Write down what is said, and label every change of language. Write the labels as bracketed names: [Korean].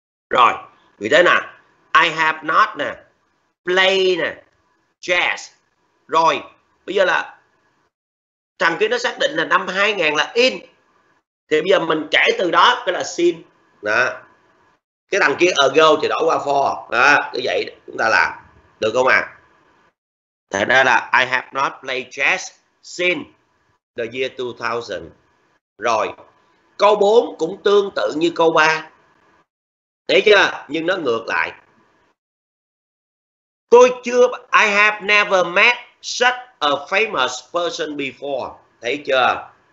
[Vietnamese] Rồi, vì thế nè, [English] I have not [Vietnamese] nè, play nè, jazz. Rồi, bây giờ là thằng kia nó xác định là năm 2000 là in. Thì bây giờ mình kể từ đó, cái là since. Đó. Cái thằng kia ago thì đổi qua for. Đó, như vậy chúng ta làm. Được không ạ? À? Thành ra là [English] I have not played chess since the year 2000. [Vietnamese] Rồi, câu 4 cũng tương tự như câu 3. Thấy chưa? Nhưng nó ngược lại. Tôi chưa, [English] I have never met such a famous person before. [Vietnamese] Thấy chưa?